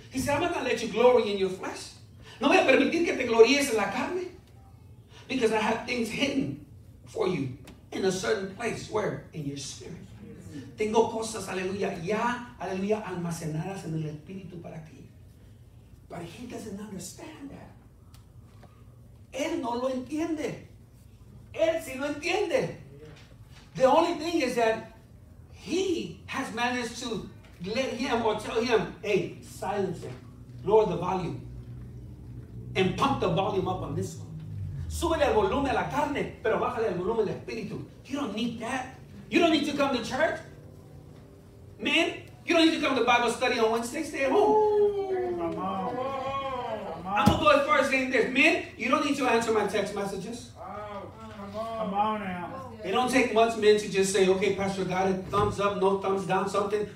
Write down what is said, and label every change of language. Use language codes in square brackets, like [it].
[en] He said, I'm not going to let you glory in your flesh. [es] No voy a permitir que te gloríes en la carne. [en] Because I have things hidden for you in a certain place where? In your spirit. [es] Tengo cosas, aleluya, ya, aleluya, almacenadas en el Espíritu para ti. [en] But he doesn't understand that. [es] Él no lo entiende. Él sí lo entiende. [en] The only thing is that he has managed to let him or tell him, hey, silence it, lower the volume, and pump the volume up on this one. [es] Súbele el volumen a la carne, pero bájale el volumen al Espíritu. [en] You don't need that. You don't need to come to church. Man, you don't need to come to Bible study on Wednesday. Stay at home. I'm going to go as far as saying this. Man, you don't need to answer my text messages. Come on now. It don't take much, man, to just say, okay, Pastor, got it. Thumbs up, no thumbs down, something.